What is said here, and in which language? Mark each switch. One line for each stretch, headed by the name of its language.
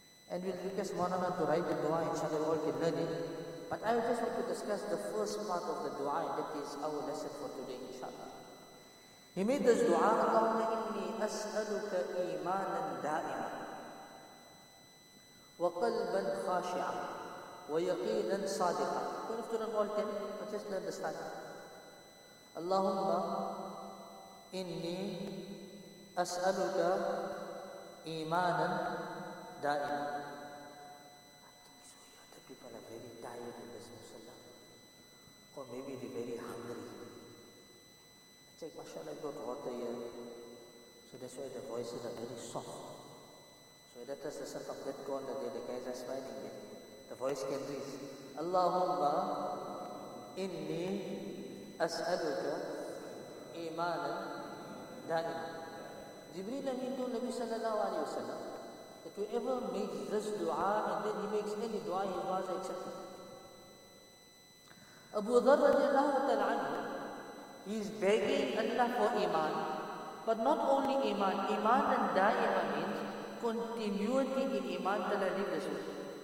English: And we'll request Maulana to write the dua, inshallah, all can learn it. But I just want to discuss the first part of the dua, and that is our lesson for today, inshallah. He made this dua, "Allahumma inni as'aluka imanan da'iman wa qalban khashi'an
Arabic: وَيَقِينًا صَادِقًا."
English: You don't have to run all 10, but just learn the start.
Arabic: اللهم إني أسألك إيمانًا دائمًا.
English: I think so, yeah, the people are very tired in this musalla. Or maybe they're very hungry. I think, mashallah, I got water here. So that's why the voices are very soft. So let us listen from that corner there, the guys are smiling there. The voice can reach.
Arabic: اللهم إني أسألك إيمانا دائما.
English: Jibreel Amin told Nabi sallallahu alayhi wa sallam that whoever makes this dua and then he makes any dua he was accepted. Abu Dharr radiallahu ta'ala anhu, he is begging Allah for iman. But not only iman, iman and da'ima means continuity in iman till the end of the world.